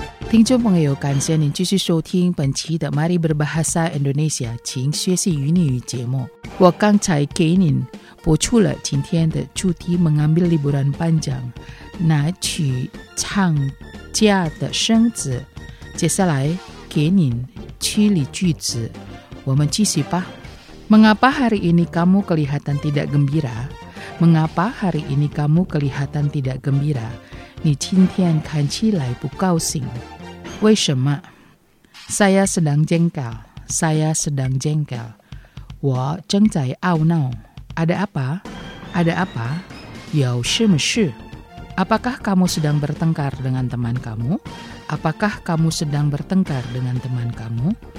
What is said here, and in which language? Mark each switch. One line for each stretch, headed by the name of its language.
Chinese: 听众朋友，感谢您继续收听本期的 Mari Berbahasa Indonesia 请学习语音语节目。我刚才给您播出了今天的主题
Indonesian: Mengambil liburan panjang
Chinese: 拿取长假的生字，接下来给您处理句子，我们继续吧。
Indonesian: Mengapa hari ini kamu kelihatan tidak gembira? Mengapa hari ini kamu kelihatan tidak gembira?
Chinese: 你今天看起来不高兴，为什么？
Indonesian: Saya sedang jengkel, saya sedang jengkel,
Chinese: 我正在懊恼。
Indonesian: Ada apa? Ada apa?
Chinese: 有什么事？
Indonesian: Apakah kamu sedang bertengkar dengan teman kamu? Apakah kamu sedang bertengkar dengan teman kamu?